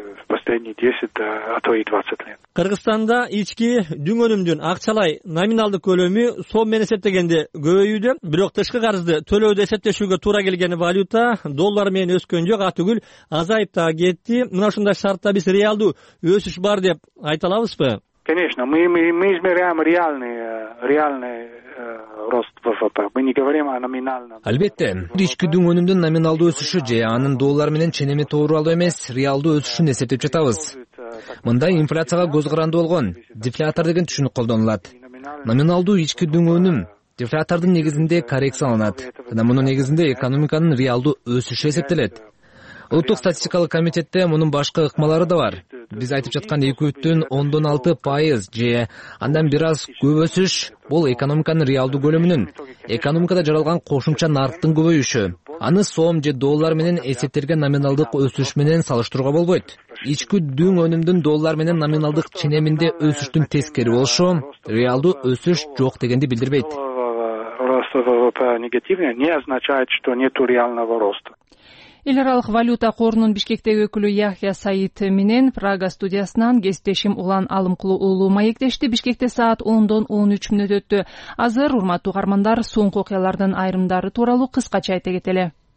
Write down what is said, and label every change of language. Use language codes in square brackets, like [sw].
[ky] Кыргызстанда ички дүң өнүмдүн акчалай номиналдык көлөмү сом менен эсептегенде көбөйүүдө, бирок тышкы карызды төлөөдө эсептешүүгө туура келген валюта доллар менен өскөн жок, атүгүл азайып да кетти. Мына ушундай шартта биз реалдуу өсүш бар деп айта алабызбы? [ru] Конечно, мы измеряем реальный рост ВВП. Мы не говорим о номинальном. [ky] Албетте, ички дүң өнүмдүн номиналдуу өсүшү же анын доллар менен ченеми тууралуу эмес, реалдуу өсүшүн эсептеп жатабыз. Мындай инфляцияга көз каранды болгон дефлятор деген түшүнүк колдонулат. Номиналдуу ички дүң өнүм дефлятордун негизинде коррекция алынат. Жана мунун негизинде экономиканын реалдуу өсүшү эсептелет. Улуттук статистикалык комитетте мунун башка ыкмалары да бар. Биз айтып жаткан 2.6% же андан бир аз көп өсүш бул экономиканын реалдуу көлөмүнүн, экономикада жаралган кошумча нарктын көбөйүшү. Аны сом же доллар менен эсептелген номиналдык өсүш менен салыштырууга болбойт. Ички дүң өнүмдүн доллар менен номиналдык ченеминде өсүштүн тескери болушу реалдуу өсүш жок дегенди билдирбейт. [ru] Рост ВВП негативный не означает, что нету реального роста. [ky] Эл аралык валюта корунун Бишкектеги өкүлү Яхья Саид менен Прага студиясынан кесиптешим Улан Алымкулу уулу маектешти. Бишкекте саат 10:13 өттү. Азыр урматтуу каармандар соңку окуялардын айрымдары тууралуу кыскача айта кетели.